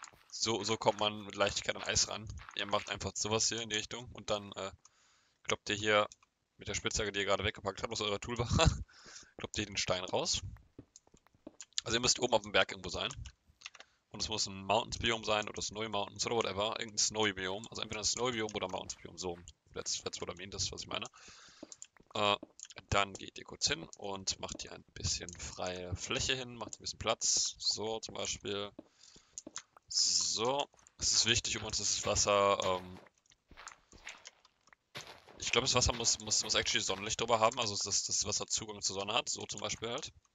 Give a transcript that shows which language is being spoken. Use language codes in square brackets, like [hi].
[de] So kommt man mit Leichtigkeit an Eis ran. Ihr macht einfach sowas hier in die Richtung und dann kloppt ihr hier mit der Spitzhacke, die ihr gerade weggepackt habt aus eurer Toolbar, kloppt ihr den Stein raus. Also ihr müsst oben auf dem Berg irgendwo sein. Und es muss ein Mountains-Biom sein oder Snowy Mountains oder whatever. Irgendein Snowy-Biom. Also entweder ein Snowy-Biom oder ein Mountains-Biom. [en] So, that's what I mean, [de] das ist, was ich meine. Dann geht ihr kurz hin und macht hier ein bisschen freie Fläche hin, macht ein bisschen Platz. So zum Beispiel. So, es ist wichtig, um uns das Wasser. Ich glaube, das Wasser muss actually Sonnenlicht drüber haben, also dass das Wasser Zugang zur Sonne hat. So zum Beispiel halt.